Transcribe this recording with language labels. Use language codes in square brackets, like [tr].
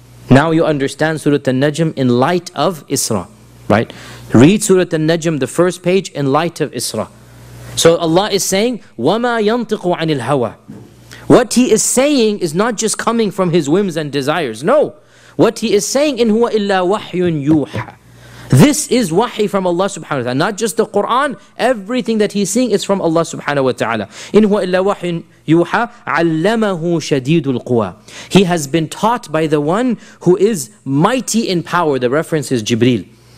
[en] Now you understand Surah An-Najm in light of Isra. Right? Read Surah An-Najm, the first page, in light of Isra. So Allah is saying, [ar] وَمَا يَنْطِقُ عَنِ الْهَوَى. [en] What he is saying is not just coming from his whims and desires. No. What he is saying, [ar] إِنْ هُوَ إِلَّا وَحْيٌ يُوحَى. [en] This is wahi from Allah subhanahu wa ta'ala. Not just the Quran, everything that he's seeing is from Allah subhanahu wa ta'ala. [ar] إِنْ هُوَ إِلَّا وَحْيٌ يُوحَى عَلَّمَهُ شَدِيدُ الْقُوَى. [en] He has been taught by the one who is mighty in power. The reference is Jibreel.